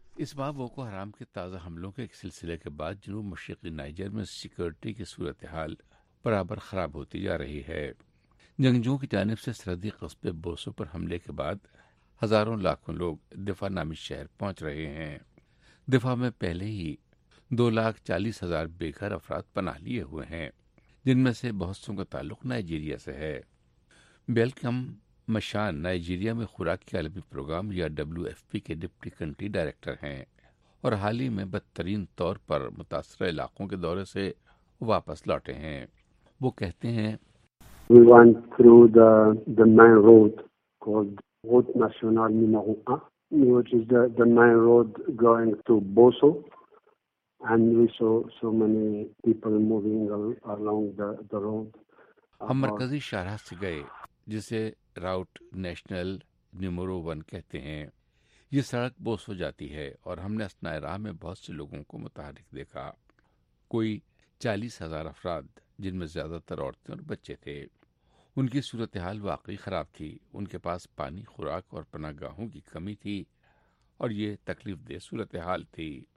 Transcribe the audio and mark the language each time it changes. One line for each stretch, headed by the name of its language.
Urdu: اس بار Boko Haram کے تازہ حملوں کے ایک سلسلے کے بعد جنوب مشرقی نائجر میں سیکورٹی کی صورتحال برابر خراب ہوتی جا رہی ہے۔ جنگجوؤں کی جانب سے سرحدی قصبے بوسو پر حملے کے بعد ہزاروں لاکھوں لوگ دفاع نامی شہر پہنچ رہے ہیں۔ دفاع میں پہلے ہی 2,40,000 بے گھر افراد پناہ لیے ہوئے ہیں، جن میں سے بہت سو کا تعلق نائجیریا سے ہے۔ بیلکم مشان نائجیریا میں خوراک کے عالمی پروگرام یا WFP کے ڈپٹی کنٹری ڈائریکٹر ہیں اور حال ہی میں بدترین طور پر متاثرہ علاقوں کے دورے سے واپس لوٹے ہیں۔ وہ کہتے ہیں
English: We went through the main road called Route Nationale numero 1, which is the main road going to Boso, and we saw so many people moving along the road.
Urdu: ہم مرکزی شاہراہ سے گئے جسے راؤٹ نیشنل نمبر 1 کہتے ہیں۔ یہ سڑک بوسو جاتی ہے اور ہم نے اس نئے راہ میں بہت سے لوگوں کو متحرک دیکھا، کوئی 40,000 افراد جن میں زیادہ تر عورتیں اور بچے تھے۔ ان کی صورتحال واقعی خراب تھی، ان کے پاس پانی، خوراک اور پناہ گاہوں کی کمی تھی اور یہ تکلیف دہ صورتحال تھی۔